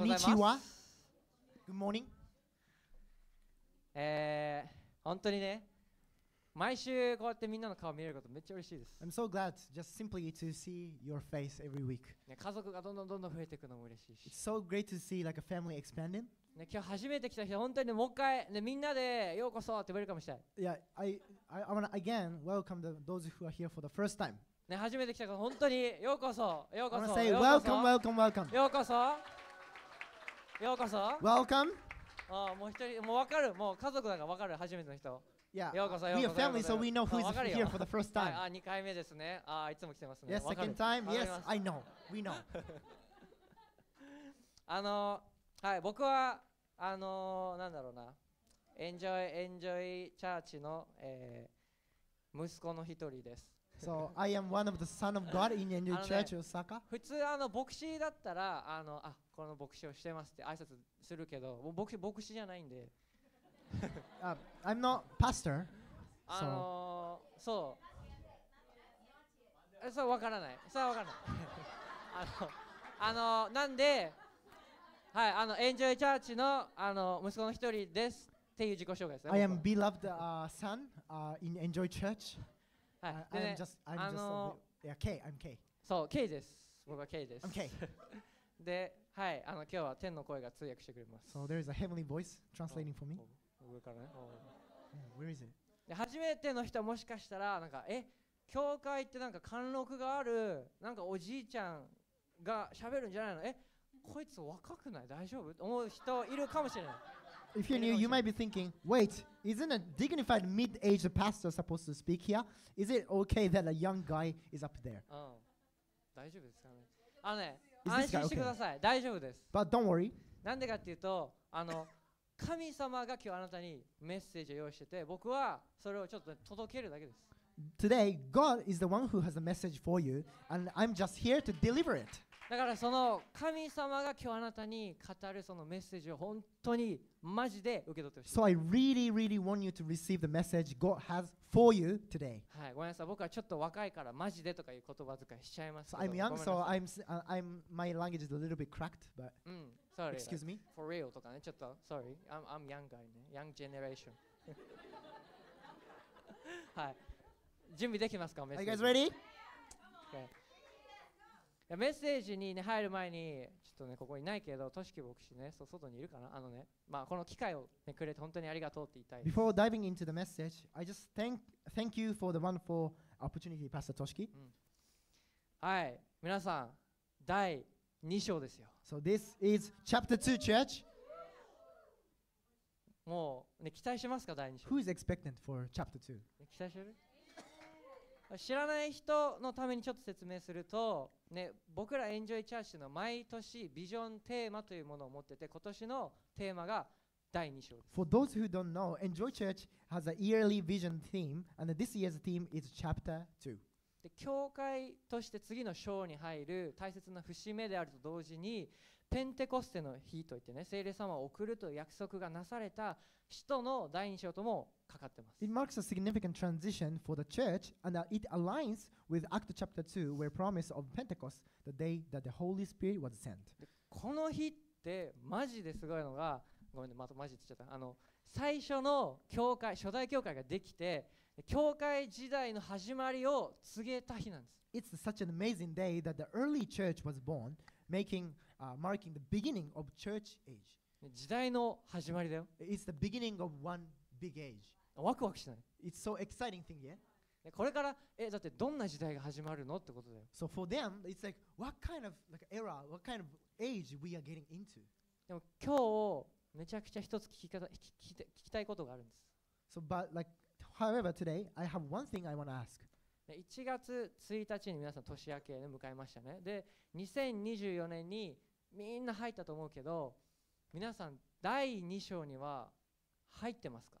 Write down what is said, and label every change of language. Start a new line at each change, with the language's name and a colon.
Japanese: ございます。こんにちは。
English: Good morning.
Japanese: 本当にね、毎週こうやってみんなの顔見れることめっちゃ嬉しいです。
English: I'm so glad just simply to see your face every week.
Japanese: 家族がどんどんどんどん増えていくのも嬉しいし。
English: It's so great to see like a family expanding.
Japanese: 今日初めて来た人本当にもう一回、みんなでようこそって言われるかもしれない。
English: Yeah, I wanna again welcome those who are here for the first time.
Japanese: 初めて来た方本当にようこそ、ようこそ。
English: I wanna say welcome, welcome, welcome.
Japanese: ようこそ、ようこそ。
English: Welcome.
Japanese: もう一人、もうわかる、もう家族だからわかる初めての人。
English: Yeah, we are family, so we know who's here for the first time.
Japanese: Ah, 2回目ですね。 Ah, いつも来てますね。
English: Yes, second time. Yes, I know. We know.
Japanese: はい、僕はなんだろうな、Enjoy Church の息子の一人です。
English: So I am one of the son of God in a new church in Osaka.
Japanese: 普通あの牧師だったらあのあこの牧師をしてますって挨拶するけど、もう牧師じゃないんで。
English: I'm not pastor.
Japanese: そう。そうわからない。そうわからない。なんで、はい、エンジョイチャーチの息子の一人ですっていう自己紹介ですね。
English: I am beloved son in Enjoy Church. I am just K. I'm K.
Japanese: そう K です。僕は K です。
English: I'm K.
Japanese: で、はい、今日は天の声が通訳してくれます。
English: So there is a heavenly voice translating for me.
Japanese: 上からね。
English: Where is it?
Japanese: 初めての人はもしかしたらなんか教会ってなんか貫禄があるなんかおじいちゃんが喋るんじゃないの、こいつ若くない大丈夫と思う人いるかもしれない。
English: If you're new, you might be thinking, wait, isn't a dignified mid-aged pastor supposed to speak here? Is it okay that a young guy is up there?
Japanese: 大丈夫ですかね。安心してください。大丈夫です。
English: But don't worry.
Japanese: なんでかっていうと、神様が今日あなたにメッセージを用意してて、僕はそれをちょっと届けるだけです。
English: Today, God is the one who has a message for you, and I'm just here to deliver it.
Japanese: だからその神様が今日あなたに語るそのメッセージを本当にマジで受け取ってほしい。
English: So I really, really want you to receive the message God has for you today.
Japanese: はい、ごめんなさい。僕はちょっと若いからマジでとかいう言葉遣いしちゃいますけど。
English: So I'm young, so I'm my language is a little bit cracked, but. Sorry. Excuse me. For real
Japanese: とかね、ちょっと
English: sorry. I'm young guy ね、young generation.
Japanese: はい。準備できますか？メッセージ。
English: Are you guys ready? Okay.
Japanese: メッセージに、ね、入る前にちょっとねここにいないけどトシキ牧師ね、そう外にいるかな、ね、まあこの機会を、ね、くれて本当にありがとうって言いたい。
English: Before diving into the message, I just thank you for the wonderful opportunity, Pastor Toshiki.、
Japanese: はい、皆さん第2章ですよ。
English: So this is chapter 2 church.
Japanese: もうね期待しますか第2章。
English: Who is expectant for chapter 2?
Japanese: 期待してる？知らない人のためにちょっと説明すると、ね、僕らエンジョイチャーシの毎年ビジョンテーマというものを持ってて、今年のテーマが第2章です。
English: For those who don't know, Enjoy Church has a yearly vision theme, and this year's theme is chapter 2.
Japanese: で、教会として次の章に入る大切な節目であると同時に、ペンテコステの日といってね、聖霊様を送るという約束がなされた使徒の第2章ともかかってます。
English: It marks a significant transition for the church, and it aligns with Act chapter 2, where promise of Pentecost, the day that the Holy Spirit was sent.
Japanese: この日ってマジですごいのが、ごめんね、またマジって言っちゃった。最初の教会、初代教会ができて、教会時代の始まりを告げた日なんです。
English: It's such an amazing day that the early church was born, marking the beginning of church age.
Japanese: 時代の始まりだよ。
English: It's the beginning of one. Big age.
Japanese: ワクワクしない。
English: It's so exciting thing, yeah?
Japanese: これからだってどんな時代が始まるのってことだよ。
English: So for them, it's like what kind of like era, what kind of age we are getting into?
Japanese: でも今日めちゃくちゃ一つ聞きたいことがあるんです。
English: So but like, however, today I have one thing I want to ask.
Japanese: 1月1日に皆さん年明けを迎えましたね。で、2024年にみんな入ったと思うけど、皆さん第2章には入ってますか?